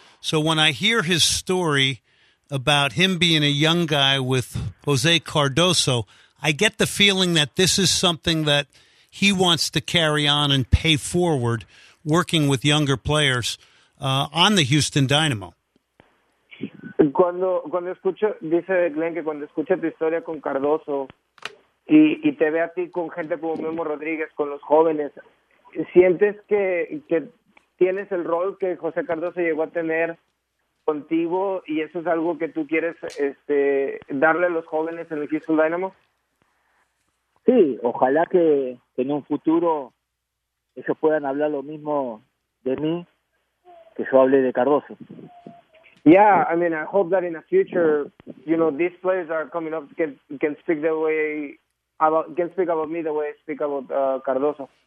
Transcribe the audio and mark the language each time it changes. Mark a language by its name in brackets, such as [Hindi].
[English] So when I hear his story about him being a young guy with Jose Cardoso, I get the feeling that this is something that he wants to carry on and pay forward, working with younger players on the Houston Dynamo. [Spanish] Cuando escucho, dice Glenn, que cuando escucha tu historia con Cardoso y te ve a ti con gente como Memo Rodríguez, con los jóvenes, ¿sientes que tienes el rol que José Cardoso llegó a tener contigo y eso es algo que tú quieres darle a los jóvenes en el Houston Dynamo? Sí, ojalá que en un futuro ellos puedan hablar lo mismo de mí que yo hablé de Cardoso. [English] Yeah, I mean, I hope that in the future, you know, these players are coming up can speak about me the way I speak about Cardoso.